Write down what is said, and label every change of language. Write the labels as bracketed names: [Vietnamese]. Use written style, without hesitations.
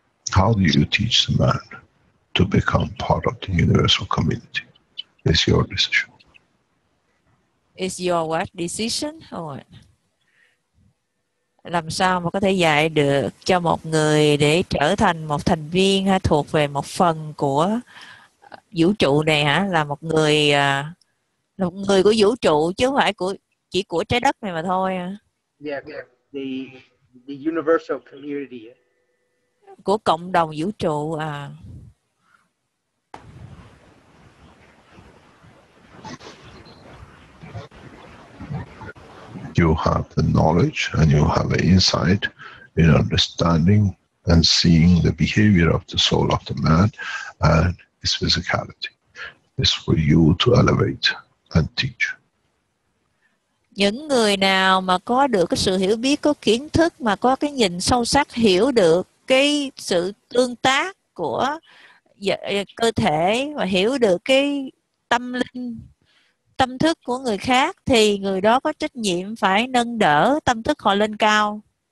[English] How do you teach the man to become part of the universal community? It's your decision. It's your what decision? [Vietnamese] Or làm sao mà có thể dạy được cho một người để trở thành một thành viên hay thuộc về một phần của vũ trụ này hả? Là một người của vũ trụ chứ không phải chỉ của trái đất này mà thôi. [English] Yeah, the universal community. [Vietnamese] Của cộng đồng vũ trụ à. [English] You have the knowledge and you have an insight in understanding and seeing the behavior of the soul of the man and his physicality. It's for you to elevate and teach. [Vietnamese] Những người nào mà có được cái sự hiểu biết, có kiến thức mà có cái nhìn sâu sắc, hiểu được cái sự tương tác của cơ thể và hiểu được cái tâm linh, tâm thức của người khác, thì người đó có trách nhiệm phải nâng đỡ tâm thức họ lên cao.